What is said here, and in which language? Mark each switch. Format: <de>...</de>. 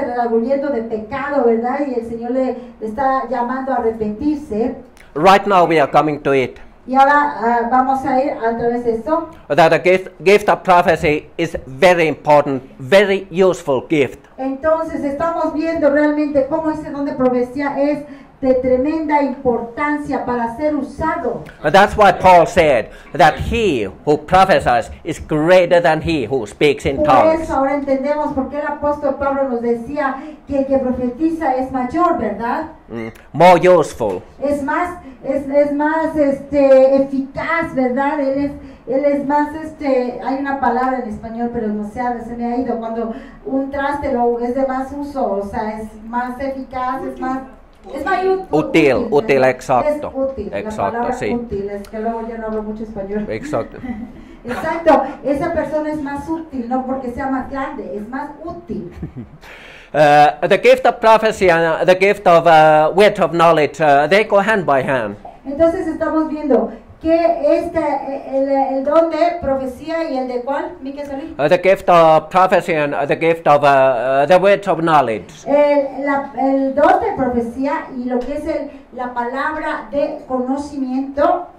<es>Redarguyendo de pecado, ¿verdad? Y el Señor le está llamando a arrepentirse.</es> <en>Right now we are coming to it.</en> <es>Y ahora vamos a ir a través de esto.</es> <en>That the gift of prophecy is very important, very useful gift.</en> <es>Entonces estamos viendo realmente cómo ese don de profecía es de tremenda importancia para ser usado.</es> <en>That's why Paul said that he who prophesies is greater than he who speaks in tongues.</en> <es>Por eso ahora entendemos por qué el apóstol Pablo nos decía que el que profetiza es mayor, ¿verdad?</es> <en>More useful.</en> <es>Es más eficaz, ¿verdad? Él es más, hay una palabra en español, pero no sé, se me ha ido. Cuando un traste es de más uso, o sea, es más eficaz, es más... Es más útil, exacto. Es útil, exacto, la palabra sí. Útil, es que luego ya no hablo mucho español. Exacto. Exacto, esa persona es más útil, no porque sea más grande, es más útil.</es> <en>The gift of prophecy and the gift of word of knowledge, they go hand by hand.</en> <es>Entonces estamos viendo que el don de profecía y el de cuál, Mike Solís.</es> <en>The gift of prophecy and the gift of the word of knowledge.</en> <es>El don de profecía y lo que es la palabra de conocimiento.</es>